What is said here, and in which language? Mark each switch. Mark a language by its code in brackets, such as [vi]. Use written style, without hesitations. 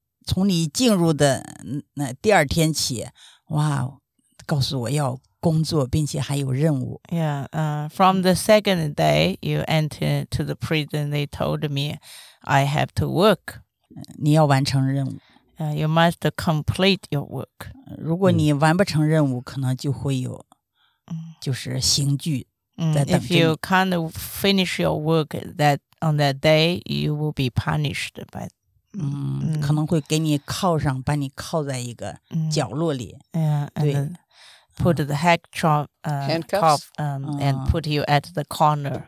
[zh] 从你进入的那第二天起，哇，告诉我要工作，并且还有任务。 [en] Yeah, from the second day you enter to the prison, they told me I have to work. [zh] 你要完成任务。 [en] You must complete your work. [zh] 如果你完不成任务，可能就会有就是刑具在等着你。 [en] If you can't finish your work that on that day, you will be punished by that. [zh] 可能会给你铐上，把你铐在一个角落里。 [en] Yeah, [zh] 对。 [en] put the handcuffs, and put you at the corner.